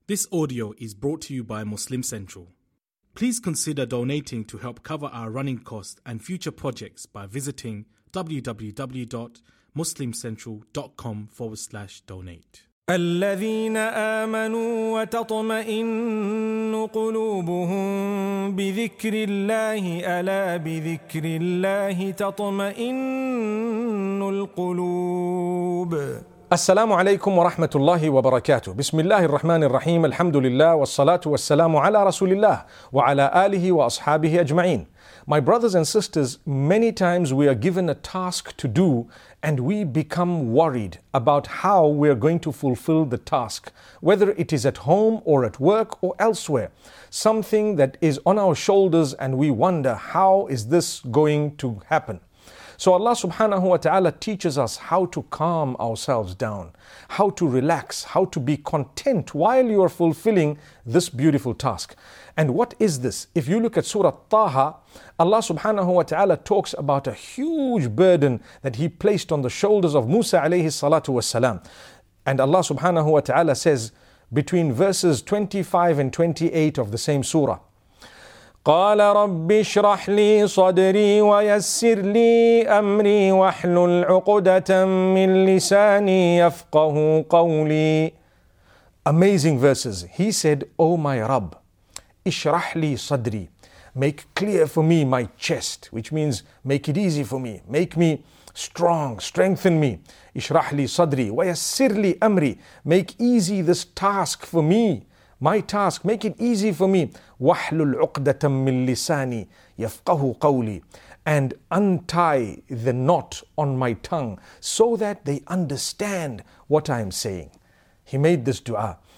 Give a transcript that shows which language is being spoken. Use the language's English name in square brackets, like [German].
[English] This audio is brought to you by Muslim Central. Please consider donating to help cover our running costs and future projects by visiting www.muslimcentral.com/donate. [Arabic] الذين آمنوا وتطمئن قلوبهم بذكر الله ألا بذكر الله تطمئن القلوب. السلام عليكم ورحمة الله وبركاته. بسم الله الرحمن الرحيم. الحمد لله والصلاة والسلام على رسول الله وعلى آله وأصحابه أجمعين. [English] My brothers and sisters, many times we are given a task to do and we become worried about how we are going to fulfill the task, whether it is at home or at work or elsewhere. Something that is on our shoulders and we wonder, how is this going to happen? So Allah subhanahu wa ta'ala teaches us how to calm ourselves down, how to relax, how to be content while you are fulfilling this beautiful task. And what is this? If you look at Surah Taha, Allah subhanahu wa ta'ala talks about a huge burden that He placed on the shoulders of Musa alayhi salatu wasalam. And Allah subhanahu wa ta'ala says between verses 25 and 28 of the same surah, [Arabic] قال رب اشرح لي صدري ويسر لي أمري واحلل عقدة من لساني يفقه قولي. [English] Amazing verses. He said, O my Rabb, [Arabic] اشرح لي صدري. [English] Make clear for me my chest, which means make it easy for me. Make me strong, strengthen me. [Arabic] اشرح لي صدري ويسر لي أمري. [English] Make easy this task for me. My task, make it easy for me. [Arabic] وَحْلُ الْعُقْدَةً مِّن لِسَانِي يَفْقَهُ قَوْلِي. [English] And untie the knot on my tongue so that they understand what I am saying. He made this dua.